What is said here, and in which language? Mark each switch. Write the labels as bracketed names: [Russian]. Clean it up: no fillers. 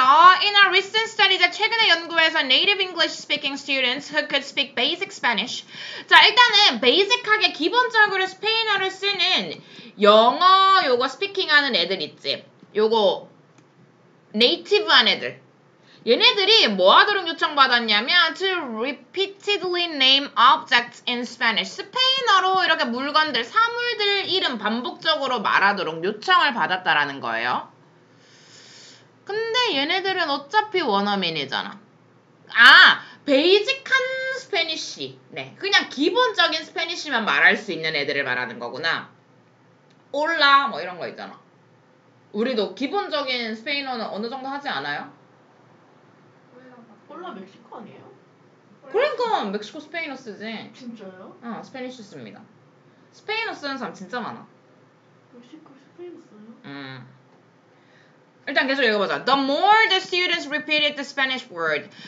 [English] In a recent study, [Korean] 최근에 연구해서 [English] native English speaking students who could speak basic Spanish. [Korean] 자, 일단은 basic하게 기본적으로 스페인어를 쓰는 영어 요거 스피킹 하는 애들 있지. 요거 네이티브한 애들. 얘네들이 뭐 하도록 요청받았냐면 [English] to repeatedly name objects in Spanish. [Korean] 스페인어로 이렇게 물건들, 사물들 이름 반복적으로 말하도록 요청을 받았다라는 거예요. 근데 얘네들은 어차피 원어민이잖아. 아, 베이직한 스페니쉬. 네, 그냥 기본적인 스페니쉬만 말할 수 있는 애들을 말하는 거구나. 올라 뭐 이런 거 있잖아. 우리도 기본적인 스페인어는 어느 정도 하지 않아요? 올라 멕시코 아니에요? 그러니까 멕시코 스페인어 쓰지. 진짜요? 응, 스페니쉬 씁니다. 스페인어 쓰는 사람 진짜 많아. 멕시코 스페인어 써요? 일단 계속 읽어보자. [English] The more the students repeated the Spanish word.